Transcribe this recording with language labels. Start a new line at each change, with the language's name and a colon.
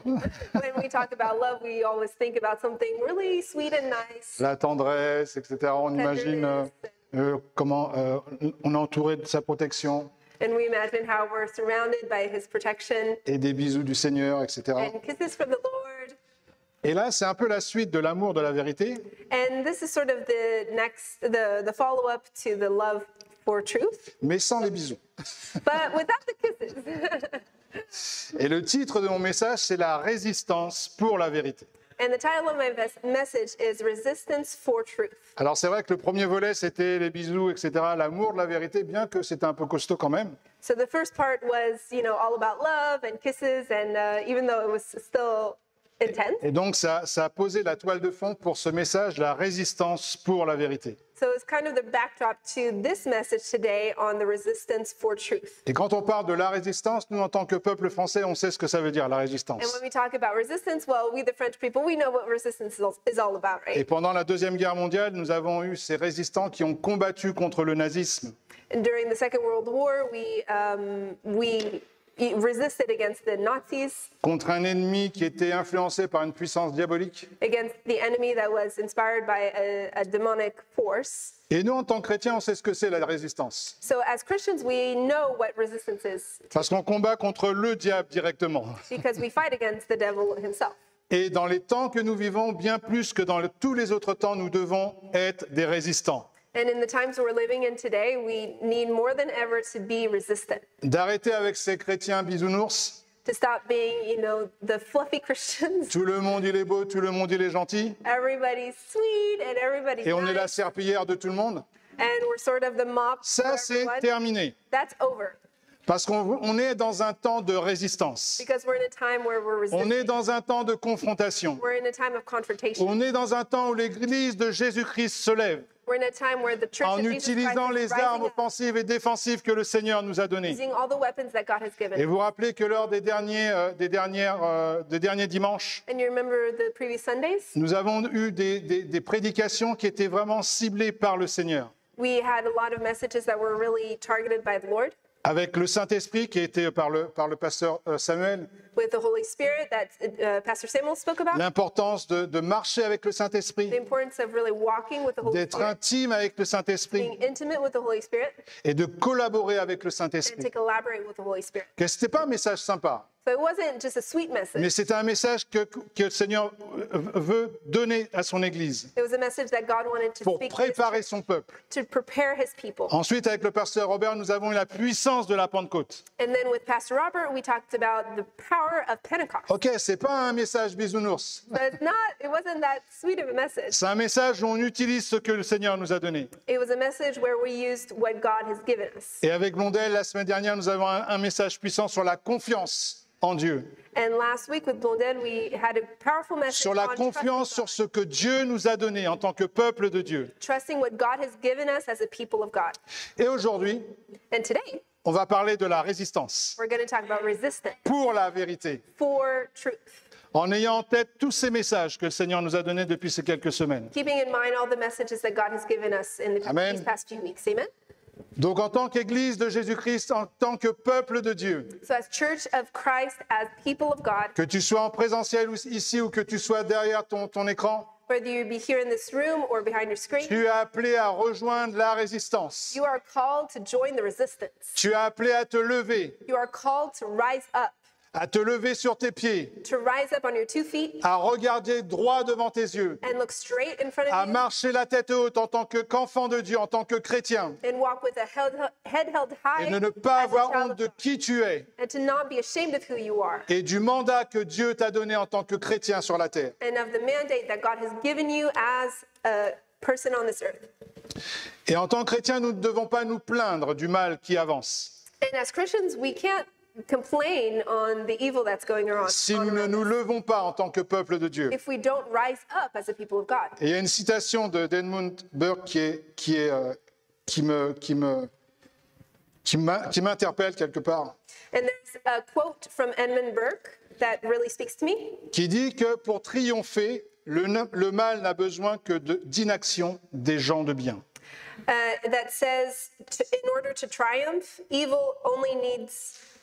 English: When we talk about love, we always think about something really sweet and nice.
French: La tendresse, etc. On imagine comment on est entouré de sa protection.
English: And we imagine how we're surrounded by his protection.
French: Et des bisous du Seigneur, etc.
English: And kisses from the Lord.
French: Et là, c'est un peu la suite de l'amour de la vérité.
English: And this is sort of the next, the follow-up to the love for truth.
French: Mais sans les bisous.
English: But without the kisses.
French: Et le titre de mon message, c'est la résistance pour la vérité.
English: And the title of my message is Resistance for Truth.
French: Alors c'est vrai que le premier volet c'était les bisous, etc., l'amour de la vérité, bien que c'était un peu costaud quand même.
English: So the first part was, you know, all about love and kisses, and even though it was still intense.
French: Et donc ça a posé la toile de fond pour ce message, la résistance pour la vérité.
English: So it's kind of the backdrop to this message today on the resistance for truth.
French: Et quand on parle de la résistance, nous en tant que peuple français, on sait ce que ça veut dire, la résistance.
English: And when we talk about resistance, well, we the French people, we know what resistance is all about, right?
French: Et pendant la Deuxième Guerre mondiale, nous avons eu ces résistants qui ont combattu contre le nazisme.
English: And during the Second World War, we resisted against the Nazis.
French: Contre un ennemi qui était influencé par une puissance diabolique.
English: Against the enemy that was inspired by a demonic force.
French: Et nous, en tant que chrétiens, on sait ce que c'est la résistance.
English: So as Christians, we know what resistance is.
French: Parce qu'on combat contre le diable directement.
English: Because we fight against the devil himself.
French: Et dans les temps que nous vivons, bien plus que dans tous les autres temps, nous devons être des résistants.
English: And in the times we're living in today, we need more than ever to be resistant.
French: D'arrêter avec ces chrétiens bisounours.
English: To stop being, you know, the fluffy Christians.
French: Tout le monde, il est beau, tout le monde, il est gentil.
English: Everybody's sweet and everybody's
French: Et on
English: nice.
French: Est la serpillière de tout le monde.
English: And we're sort of the mop.
French: Ça, c'est
English: everyone.
French: Terminé.
English: That's over.
French: Parce qu'on est dans un temps de résistance.
English: Because we're in a time where we're resisting.
French: On est dans un temps de confrontation.
English: We're in a time of confrontation.
French: On est dans un temps où l'Église de Jésus-Christ se lève.
English: We're in a time where the Church of Jesus
French: en utilisant
English: Christ
French: les armes offensives et défensives que le Seigneur nous a données.
English: Using all the weapons that God has given.
French: Et vous rappelez que lors des derniers dimanches,
English: and you remember the previous Sundays?
French: Nous avons eu des prédications qui étaient vraiment ciblées par le Seigneur.
English: We had a lot of messages that were really targeted by the Lord.
French: Avec le Saint-Esprit qui était par le pasteur Samuel.
English: With the Holy Spirit that Pastor Samuel spoke about.
French: L'importance de marcher avec le Saint-Esprit.
English: The importance of really walking with the Holy
French: D'être
English: Spirit.
French: D'être intime avec le Saint-Esprit.
English: Being intimate with the Holy Spirit.
French: Et de collaborer avec le Saint-Esprit.
English: And to collaborate with the Holy Spirit.
French: Que c'était pas un message sympa.
English: So it wasn't just a sweet message.
French: Mais c'était un message que le Seigneur veut donner à son Église.
English: It was a message that God wanted to
French: pour
English: speak
French: préparer
English: his,
French: son peuple.
English: To prepare his people.
French: Ensuite, avec le pasteur Robert, nous avons eu la puissance de la Pentecôte.
English: And then with Pastor Robert, we talked about the power of Pentecost.
French: Ok, c'est pas un message bisounours.
English: But it wasn't that sweet of a message.
French: C'est un message où on utilise ce que le Seigneur nous a donné.
English: It was a message where we used what God has given us.
French: Et avec Blondel, la semaine dernière, nous avons un message puissant sur la confiance. En Dieu.
English: And last week with Blondel, we had a powerful message
French: sur la
English: on
French: confiance sur ce que Dieu nous a donné en tant que peuple de Dieu.
English: Trusting what God has given us as a people of God.
French: Et aujourd'hui,
English: and today,
French: on va parler de la résistance.
English: We're going to talk about resistance.
French: Pour la vérité.
English: For truth.
French: En ayant en tête tous ces messages que le Seigneur nous a donnés depuis ces quelques semaines.
English: Keeping in mind all the messages that God has given us in the Amen. These past few weeks. Amen.
French: Donc en tant qu'Église de Jésus-Christ, en tant que peuple de Dieu,
English: so as Church of Christ, as people of God,
French: que tu sois en présentiel ici ou que tu sois derrière ton écran,
English: whether you be here in this room or behind your screen,
French: tu es appelé à rejoindre la résistance.
English: You are called to join the resistance.
French: Tu es appelé à te lever.
English: You are called to rise up.
French: à te lever sur tes pieds,
English: to rise up on your two feet,
French: à regarder droit devant tes yeux,
English: and look straight in front of you,
French: à marcher la tête haute en tant qu'enfant de Dieu, en tant que chrétien,
English: and walk with a head held high,
French: et ne pas avoir honte de qui tu es,
English: and to not be ashamed of who you are,
French: et du mandat que Dieu t'a donné en tant que chrétien sur la terre.
English: And of the mandate that God has given you as a person on this earth.
French: Et en tant que chrétien, nous ne devons pas nous plaindre du mal qui avance.
English: And as Christians, we can't complain on the evil that's going around.
French: Si nous ne nous levons pas en tant que peuple de Dieu.
English: If we don't rise up as a people of God.
French: Et il y a une citation de Edmund Burke qui m'interpelle quelque part.
English: And there's a quote from Edmund Burke that really speaks to me.
French: Qui dit que pour triompher, le mal n'a besoin que d'inaction des gens de bien.
English: That says in order to triumph, evil only needs